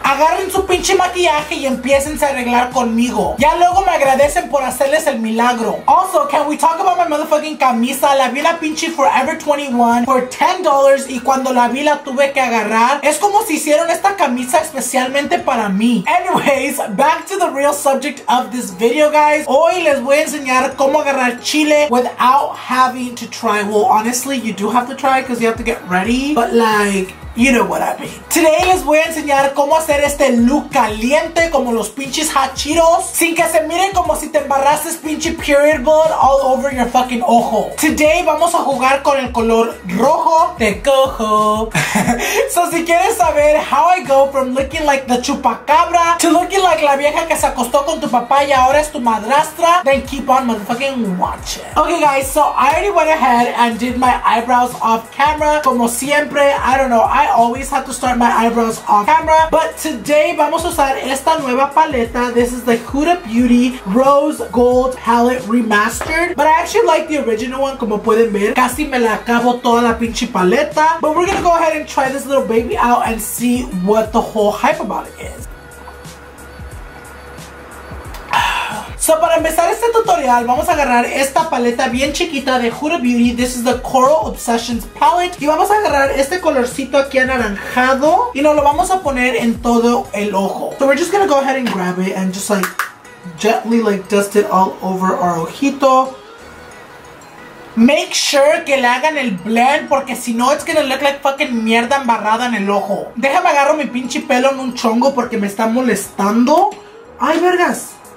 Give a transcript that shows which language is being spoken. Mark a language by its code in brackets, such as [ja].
[es] Agarren su pinche maquillaje y empiecen a arreglar conmigo. Ya luego me agradecen por hacerles el milagro. [en] Also, can we talk about my motherfucking camisa? [es] La vi la pinche Forever 21 [en] for $10 [es] y cuando la vi la tuve que agarrar. Es como si hicieron esta camisa especialmente para mí. [en] Anyway, back to the real subject of this video, guys. [es] Hoy les voy a enseñar cómo agarrar chile [en] without having to try. Well, honestly, you do have to try because you have to get ready. But like, you know what I mean. Today [es] les voy a enseñar cómo hacer este look caliente como los pinches hot Cheetos sin que se mire como si te embarrases pinche [en] period blood all over your fucking [es] ojo. Today vamos a jugar con el color rojo. Te cojo. So si quieres saber [en] how I go from looking like the [es] chupacabra [en] to looking like [es] la vieja que se acostó con tu papá y ahora es tu madrastra, [en] then keep on motherfucking watching. Okay guys, so I already went ahead and did my eyebrows off camera. [es] Como siempre, [en] I don't know, I always have to start my eyebrows off camera. But today, [es] vamos a usar esta nueva paleta. [en] This is the Huda Beauty Rose Gold Palette Remastered. But I actually like the original one, [es] como pueden ver. Casi me la acabo toda la pinche paleta. [en] But we're gonna go ahead and try this little baby out and see what the whole hype about it is. [es] So para empezar este tutorial, vamos a agarrar esta paleta bien chiquita de Huda Beauty. [en] This is the [es] Coral Obsessions Palette. Y vamos a agarrar este colorcito aquí anaranjado. Y nos lo vamos a poner en todo el ojo. [en] So we're just gonna go ahead and grab it and just like gently like dust it all over our ojito. Make sure [es] que le hagan el blend porque si no [en] it's gonna look like fucking [es] mierda embarrada en el ojo. Déjame agarro mi pinche pelo en un chongo porque me está molestando. Ay, vergas.